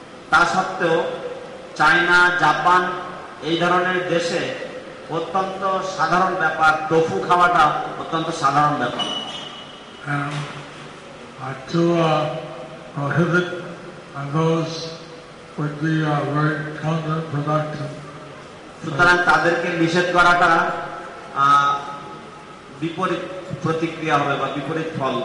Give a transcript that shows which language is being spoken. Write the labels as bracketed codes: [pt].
[bn] তা সত্ত্বেও China, Japan এই ধরনের দেশে অত্যন্ত সাধারণ ব্যাপার, টোফু খাওয়াটা অত্যন্ত সাধারণ ব্যাপার। [en] And to prohibit those would be very counterproductive. [bn] সুতরাং তাদেরকে নিষেধ করাটা বিপরীত প্রতিক্রিয়া হবে বা বিপরীত ফল